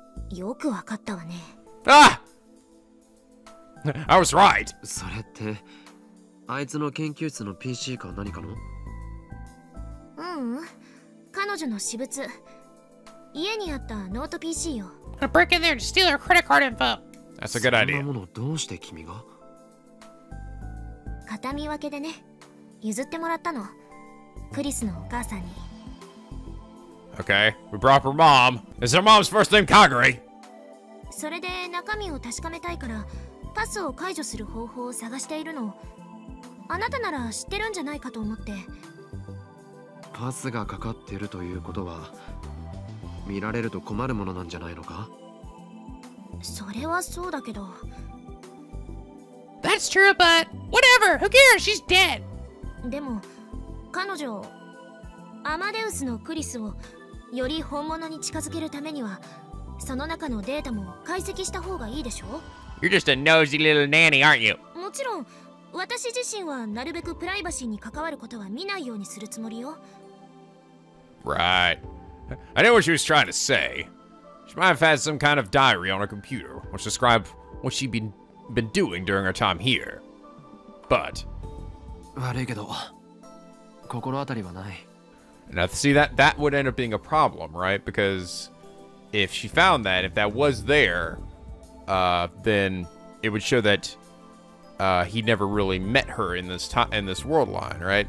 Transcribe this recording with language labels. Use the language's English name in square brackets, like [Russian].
[Japanese] よくわかったわね [English] あ I was right [Japanese] それってあいつの研究室の PC か何かの彼女の私物家にあったノート PC よ。 [English] I'll break in there and steal her credit card info. That's a good idea. [Japanese] そんなものどうして君が片見分けでね、譲ってもらったの。クリスのお母さんに。 [English] Okay, we brought her mom. Is her mom's first name Kagari? [Japanese] それで中身を確かめたいから、パスを解除する方法を探しているの。あなたなら知ってるんじゃないかと思って。パスがかかっているということは見られると困るものなんじゃないのか? それはそうだけど。 [English] That's true, but whatever! Who cares? She's dead! [Japanese] でも、彼女、アマデウスのクリスをより本物に近づけるためには、その中のデータも解析した方がいいでしょ? [English] You're just a nosy little nanny, aren't you? [Japanese] もちろん、私自身はなるべくプライバシーに関わることは見ないようにするつもりよ。 [English] Right. I know what she was trying to say. She might have had some kind of diary on her computer, which described what she'd been doing during her time here. But... [Japanese] 悪いけど、心当たりはない。 [English] Now, see, that would end up being a problem, right? Because if she found that, if that was there, then it would show that he never really met her in this world line, right?